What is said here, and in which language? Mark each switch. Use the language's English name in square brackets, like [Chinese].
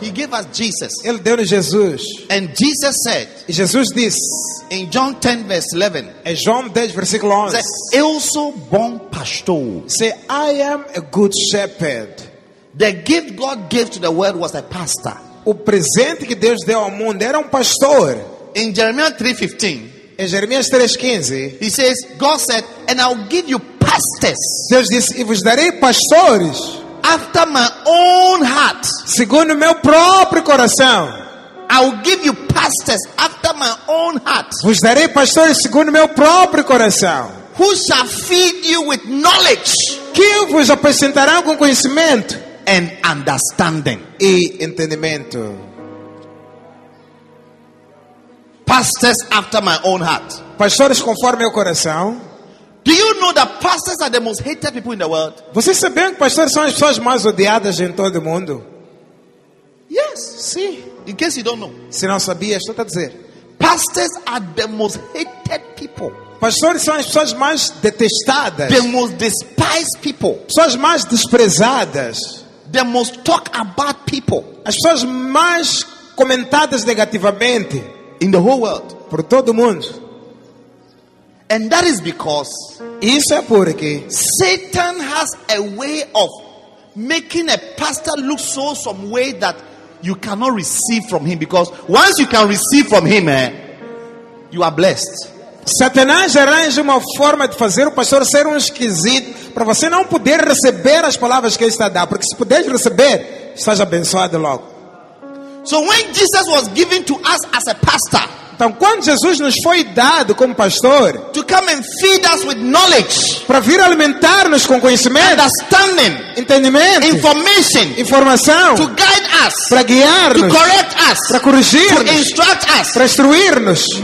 [English] He gave us Jesus. [Portuguese] Ele deu-nos Jesus. [English] And Jesus said. [Portuguese] E Jesus disse. [English] In John 10:11. [Portuguese] Em João 10, versículo 11. Said, eu sou bom pastor. [English] Say, I am a good shepherd. The gift God gave to the world was a pastor. [Portuguese] O presente que Deus deu ao mundo era pastor. [English] In Jeremiah 3:15. [Portuguese] Em Jeremias 3:15, [English] he says, God said, and I'll give you pastors. [Portuguese] Deus disse, e vos darei pastores. [English] After my own heart. [Portuguese] Segundo meu próprio coração. [English] I'll give you pastors after my own heart. [Portuguese] Vos darei pastores segundo meu próprio coração. [English] Who shall feed you with knowledge? [Portuguese] Que vos apresentará com conhecimento. [English] And understanding. [Portuguese] E entendimento. [English] Pastors after my own heart. [Portuguese] Pastores conforme meu coração. [English] Do you know that pastors are the most hated people in the world? [Portuguese] Vocês sabem que pastores são as pessoas mais odiadas em todo o mundo? [English] Yes, sim. In case you don't know. [Portuguese] Se não sabia, estou a dizer. [English] Pastors are the most hated people. [Portuguese] Pastores são as pessoas mais detestadas. [English] The most despised people. [Portuguese] Pessoas mais desprezadas. [English] The most talked about people. [Portuguese] As pessoas mais comentadas negativamente. [English] In the whole world. [Portuguese] Por todo o mundo. [English] And that is because. [Portuguese] Isso é porque. [English] Satan has a way of making a pastor look so some way that you cannot receive from him. Because once you can receive from him, you are blessed. [Portuguese] Satanás arranja uma forma de fazer o pastor ser esquisito. Para você não poder receber as palavras que ele está a dar. Porque se puder receber, estás abençoado logo. [English] So when Jesus was given to us as a pastor, [Portuguese] Então, quando Jesus nos foi dado como pastor, [English] to come and feed us with knowledge, [Portuguese] para vir alimentar-nos com conhecimento, [English] understanding, [Portuguese] entendimento, [English] information, [Portuguese] informação, [English] to guide us, [Portuguese] para guiar-nos, [English] to correct us, [Portuguese] para corrigir-nos, [English] to instruct us, [Portuguese] para instruir-nos.